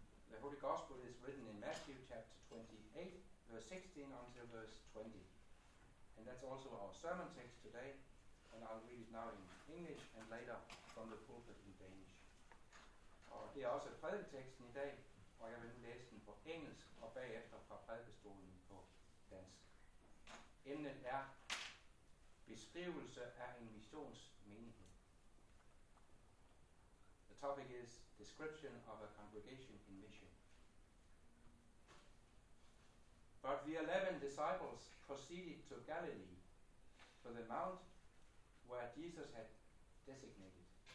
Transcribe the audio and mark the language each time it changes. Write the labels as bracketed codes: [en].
[en] The Holy Gospel is written in Matthew chapter 28, verse 16 until verse 20. And that's also our sermon text today, and I'll read it now in English and later from the pulpit in Danish. [da] Og det er også prædiketeksten i dag, og jeg vil nu læse den på engelsk og bagefter fra prædikestolen på dansk. Emnet er beskrivelse af en missionsmenighed. [en] The topic is description of a congregation in mission. But the 11 disciples proceeded to Galilee, to the mount where Jesus had designated.